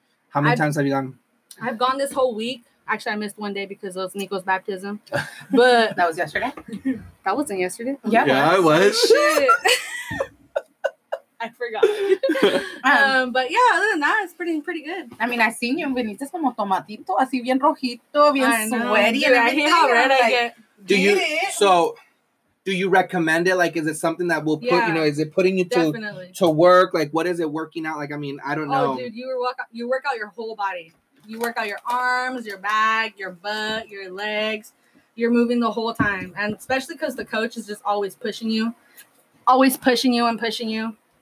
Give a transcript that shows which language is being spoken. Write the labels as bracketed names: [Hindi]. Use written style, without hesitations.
[English] How many times have you gone? I've gone this whole week. Actually, I missed one day because of Nico's baptism. But that was yesterday. That wasn't yesterday. Yeah, yeah, it was. I forgot. But yeah, other than that, it's pretty good. I mean, I seen you. [Spanish] Veniste como tomatito, así bien rojito, bien sweaty. [English] I hate how red I get. Do you so? Do you recommend it? Like, is it something that will put, you know, is it putting you to work? Like, what is it working out? Like, I mean, I don't know. Oh, dude, you work out your whole body. You work out your arms, your back, your butt, your legs. You're moving the whole time. And especially because the coach is just always pushing you and pushing you.